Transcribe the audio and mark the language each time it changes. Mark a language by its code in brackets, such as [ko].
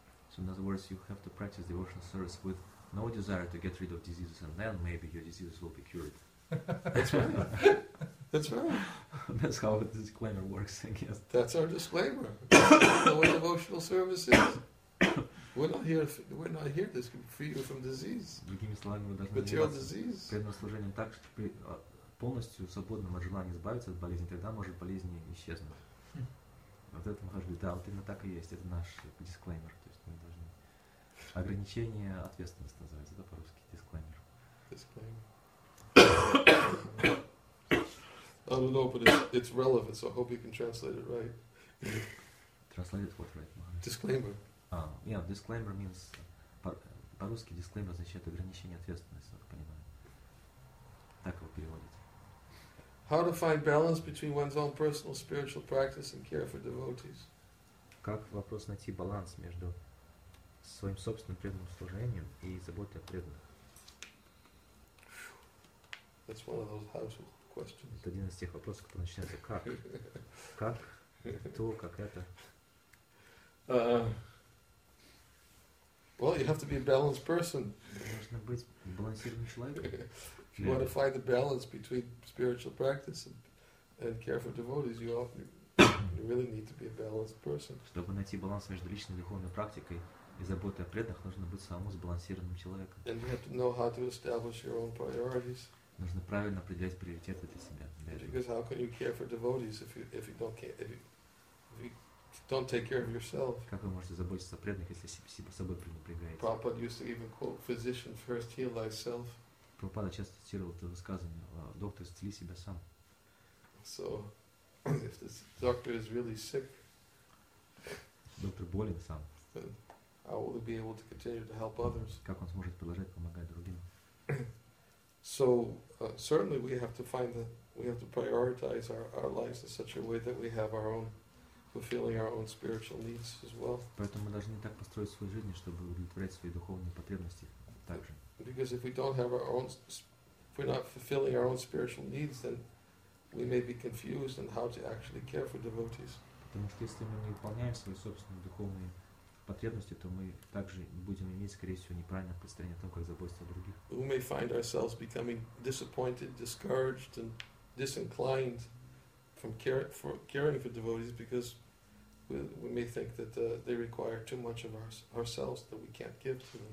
[en] So in other words, you have to practice devotional service with no desire to get rid of diseases, and then maybe your diseases will be cured. That's right. That's how the disclaimer works, I guess. That's our disclaimer. Know what devotional service is. We're not here to free you from disease. [ru] Другими словами, мы должны заниматься преданным служением так, чтобы полностью свободным от желания избавиться от болезни, тогда может болезнь исчезнуть. Вот это мы должны. Да, вот именно так и есть. Это наш дисклеймер. То есть мы должны. Ограничение ответственности называется, да, по-русски, дисклеймер. Дисклеймер. [en] I don't know, but it's relevant, so I hope you can translate it right. Translate it what right, Maharaj? Disclaimer. Disclaimer means [ru] по-русски disclaimer означает ограничение ответственности, как понимаю. Так его переводят. [en] How to find balance between one's own personal spiritual practice and care for devotees? [ru] Как вопрос найти баланс между своим собственным преданным служением и заботой о преданных? [en] That's one of those household questions. [ru] Это один из тех вопросов, которые начинаются как? Как? То, как это? [en] Well, you have to be a balanced person. [ru] Нужно быть балансированным человеком. [en] If you want to find the balance between spiritual practice and care for devotees, you really need to be a balanced person. [ru] Чтобы найти баланс между личной духовной практикой и заботой о преданных, нужно быть самому сбалансированным человеком. [en] And you have to know how to establish your own priorities. [ru] Нужно правильно определять приоритеты для себя. [en] Because how can you care for devotees if you don't take care of yourself. [ru] Как вы можете заботиться о преданных, если себя собой пренебрегаете? [en] Prabhupada used to even quote, "Physician first heal thyself." [ru] Prabhupada часто цитировал это высказывание: "Доктор, исцели себя сам." [en] So, if the doctor is really sick, [ru] доктор болен сам. [en] How will he be able to continue to help others? [ru] Как он сможет продолжать помогать другим? [en] So, certainly we have to prioritize our lives in such a way that we have our own. Fulfilling our own spiritual needs as well. [ru] Поэтому мы должны так построить свою жизнь, чтобы удовлетворять свои духовные потребности также. [en] Because if we don't have our own, if we're not fulfilling our own spiritual needs, then we may be confused on how to actually care for devotees. [ru] Потому что если мы не выполняем свои собственные духовные потребности, то мы также будем иметь, скорее всего, неправильное представление о том, как заботиться о других. [en] We may find ourselves becoming disappointed, discouraged, and disinclined. From caring for devotees because we may think that they require too much of ourselves that we can't give to them.